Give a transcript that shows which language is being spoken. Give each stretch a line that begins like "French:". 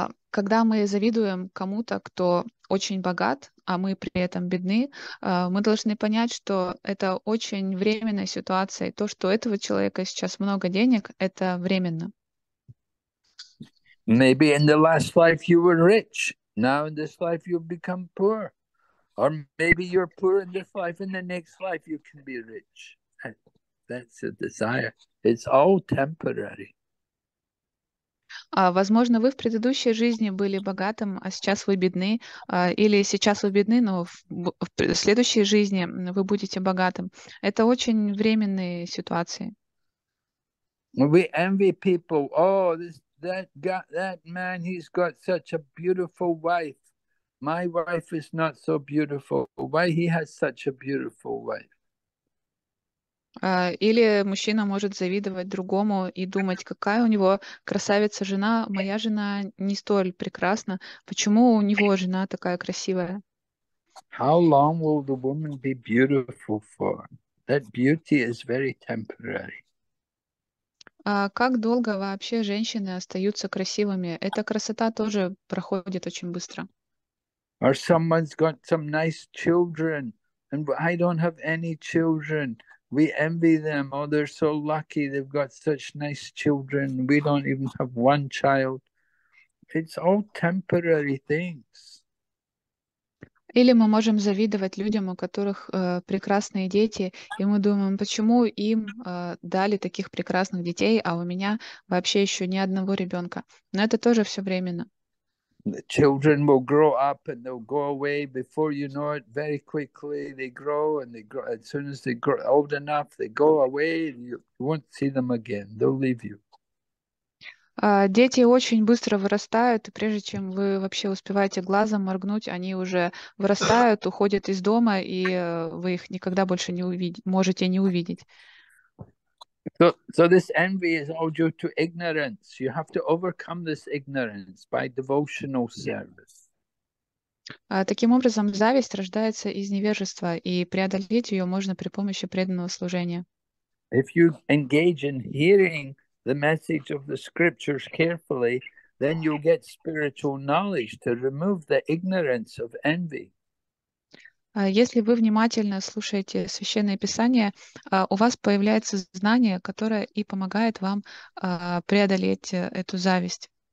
Russian: Когда мы завидуем кому-то, кто очень богат, а мы при этом бедны, мы должны понять, что это очень временная ситуация. И то, что у этого человека сейчас много денег, это временно.
English: Maybe in the last life you were rich. Now in this life you've become poor. Or maybe you're poor in this life, in the next life you can be rich. That's a desire. It's all temporary.
Russian: Возможно, вы в предыдущей жизни были богатым, а сейчас вы бедны, или сейчас вы бедны, но в следующей жизни вы будете богатым. Это очень временные ситуации.
English: We envy people. Oh, that man, he's got such a beautiful wife. My wife is not so beautiful. Why he has such a beautiful wife?
Russian: Или мужчина может завидовать другому и думать, какая у него красавица жена, моя жена не столь прекрасна, почему у него жена такая красивая?
English: How long will the woman be beautiful for? That beauty is very temporary.
Russian: Как долго вообще женщины остаются красивыми? Эта красота тоже проходит очень быстро.
English: Or someone's got some nice children, and I don't have any children. We envy them. Oh, they're so lucky. They've got such nice children. We don't even have one child. It's all temporary things.
Russian: Или мы можем завидовать людям, у которых прекрасные дети, и мы думаем, почему им дали таких прекрасных детей, а у меня вообще еще ни одного ребенка. Но это тоже все временно.
English: The children will grow up and they'll go away before you know it. Very quickly they grow and they grow. As soon as they grow old enough, they go away. You won't see them again. They'll leave you.
Russian: Дети очень быстро вырастают, и прежде чем вы вообще успеваете глазом моргнуть, они уже вырастают, уходят из дома, и вы их никогда больше не увидите, можете не увидеть.
English: So this envy is all due to ignorance. You have to overcome this ignorance by devotional service.
Russian: Таким образом, зависть рождается из невежества, и преодолеть ее можно при помощи преданного служения.
English: If you engage in hearing the message of the scriptures carefully, then you'll get spiritual knowledge to remove the ignorance of envy.
Russian: Если вы внимательно слушаете Священное Писание, у вас появляется знание, которое и помогает вам преодолеть эту зависть.